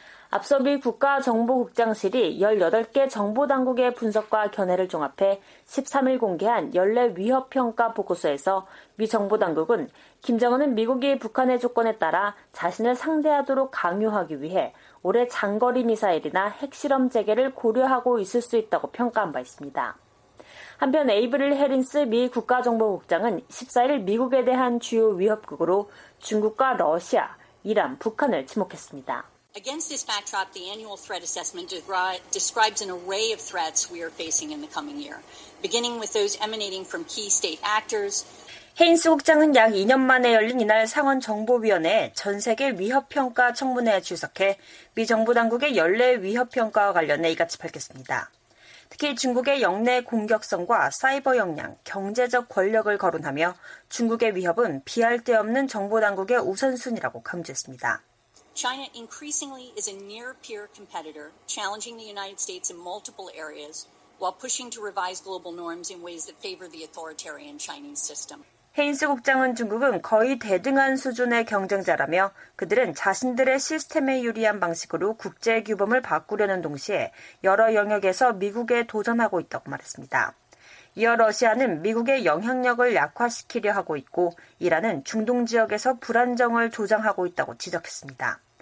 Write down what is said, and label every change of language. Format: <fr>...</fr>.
<ko>앞서 미 국가정보국장실이 18개 정보당국의 분석과 견해를 종합해 13일 공개한 연례 위협평가 보고서에서 미 정보당국은 김정은은 미국이 북한의 조건에 따라 자신을 상대하도록 강요하기 위해 올해 장거리 미사일이나 핵실험 재개를 고려하고 있을 수 있다고 평가한 바 있습니다. 한편 에이브릴 해린스 미 국가정보국장은 14일 미국에 대한 주요 위협국으로 중국과 러시아, 이란, 북한을 지목했습니다.</ko> <en>Against this backdrop, the annual threat assessment describes an array of threats we are facing in the coming year, beginning with those emanating from key state actors.</en> <ko>헤인스 국장은 약 2년 만에 열린 이날 상원 정보위원회의 전 세계 위협 평가 청문회에 출석해 미 정부 당국의 연례 위협 평가와 관련해 이같이 밝혔습니다. 특히 중국의 역내 공격성과 사이버 역량, 경제적 권력을 거론하며 중국의 위협은 비할 데 없는 정보 당국의 우선순위라고 강조했습니다.</ko> <en>China increasingly is a near-peer competitor, challenging the United States in multiple areas, while pushing to revise global norms in ways that favor the authoritarian Chinese system.</en> <ko>헤인스 국장은 중국은 거의 대등한 수준의 경쟁자라며 그들은 자신들의 시스템에 유리한 방식으로 국제 규범을 바꾸려는 동시에 여러 영역에서 미국에 도전하고 있다고 말했습니다. 이어 러시아는 미국의 영향력을 약화시키려 하고 있고 이란은 중동 지역에서 불안정을 조장하고 있다고 지적했습니다.</ko>